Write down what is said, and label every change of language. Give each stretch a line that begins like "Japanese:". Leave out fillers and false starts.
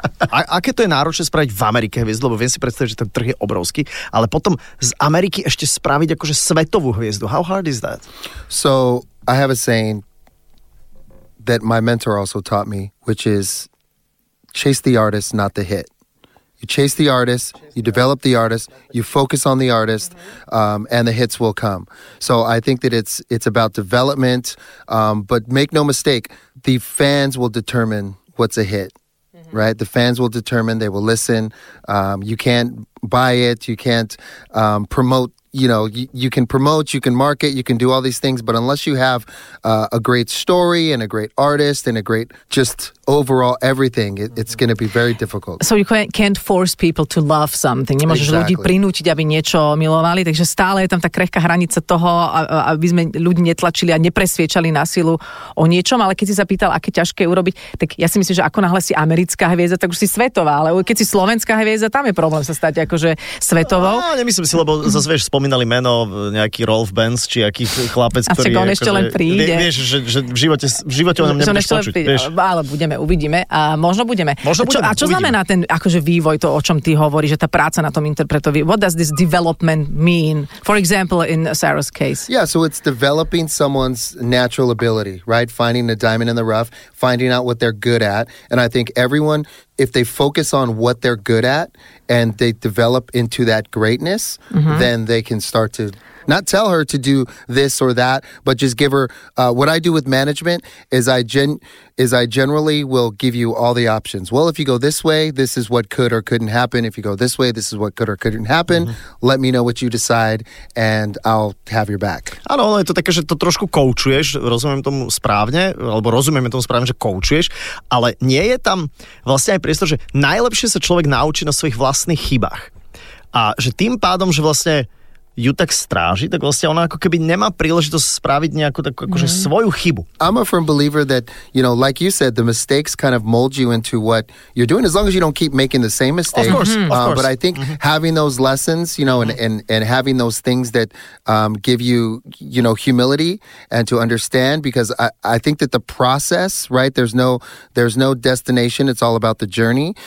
Slovak: Aké to je náročné spraviť v Amerike hviezdu, lebo viem si predstaviť, že ten trh je obrovský, ale potom z Ameriky ešte spraviť akože svetovú hviezdu.
English: How hard is that? So, I have a saying that my mentor also taught me, which is chase the artist, not the hit. You chase the artist, you develop the artist, you focus on the artist, and the hits will come. So I think that it's about development, but make no mistake, the fans will determine what's a hit, right? The fans will determine, they will listen. You can't buy it, you can't promote, you know, you can promote, you can market, you can do all these things, but unless you have a great story and a great artist and a great just overall everything, it's going to be very difficult. So you can't force people to love something.
Slovak: Nemôžeš
English: exactly.
Slovak: ľudí prinútiť, aby niečo milovali, takže stále je tam tá krehká hranica toho, aby sme ľudí netlačili a nepresviečali na silu o niečom, ale keď si zapýtal, aké ťažké urobiť, tak ja si myslím, že ako náhle si americká hviezda, tak už si svetová, ale keď si slovenská hviezda, tam je problém sa stať akože svetovou. No, nemyslím si, lebo zase vieš, spomínali meno nejaký Rolf Benz či aký chlapec, ktorý je, ešte len príde. Vieš, že v živote o ňom nebudeš počuť. Ale budeme, uvidíme a možno budeme. Možno budeme. A čo znamená ten akože vývoj, to o čom ty hovoríš, že tá práca na tom interpretovi?
English: What does this development mean? For example, in Sarah's case. Yeah, so it's developing someone's natural ability, right? Finding a diamond in the rough, finding out what they're good at. And I think everyone, if they focus on what they're good at and they develop into that greatness, then they can start to not tell her to do this or that, but just give her, what I do with management is I generally will give you all the options. Well, if you go this way, this is what could or couldn't happen. If you go this way, this is what could or couldn't happen. Mm-hmm. Let me know what you decide and I'll have your back.
Slovak: Áno, ono je to také, že to trošku koučuješ, rozumiem tomu správne, alebo rozumieme tomu správne, že koučuješ, ale nie je tam vlastne aj priestor, že najlepšie sa človek naučí na svojich vlastných chybách. A že tým pádom, že vlastne ju tak stráži, tak vlastne ona ako keby nemá príležitosť spraviť nejakú takú akože svoju chybu.
English: I'm a firm believer that, you know, like you said, the mistakes kind of mold you into what you're doing, as long as you don't keep making the same mistake. Of course, of course. But I think having those lessons, you know, and having those things that give you, you know, humility and to understand, because I think that the process, right, there's no destination, it's all about the journey.